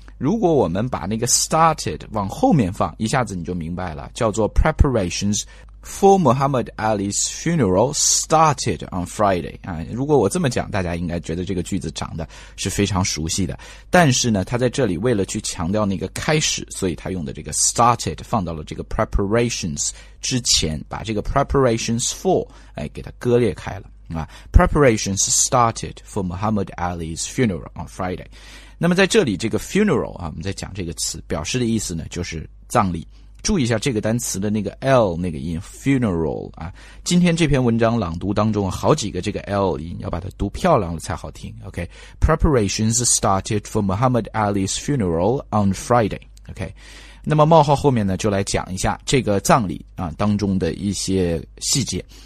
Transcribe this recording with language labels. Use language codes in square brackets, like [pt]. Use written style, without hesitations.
[zh] 如果我们把那个 started 往后面放，一下子你就明白了，叫做 [en] preparations for Muhammad Ali's funeral started on Friday [zh] 啊。如果我这么讲，大家应该觉得这个句子长得是非常熟悉的。但是呢，他在这里为了去强调那个开始，所以他用的这个 started 放到了这个 preparations 之前，把这个 preparations for 哎给它割裂开了啊。 [en] Preparations started for Muhammad Ali's funeral on Friday。 [zh] 那么在这里这个 funeral 啊，我们在讲这个词表示的意思呢就是葬礼。注意一下这个单词的那个 L 那个音 funeral 啊，今天这篇文章朗读当中好几个这个 L 音，要把它读漂亮了才好听。 [en] OK, preparations started for Muhammad Ali's funeral on Friday, OK, [zh] 那么冒号后面呢就来讲一下这个葬礼啊当中的一些细节。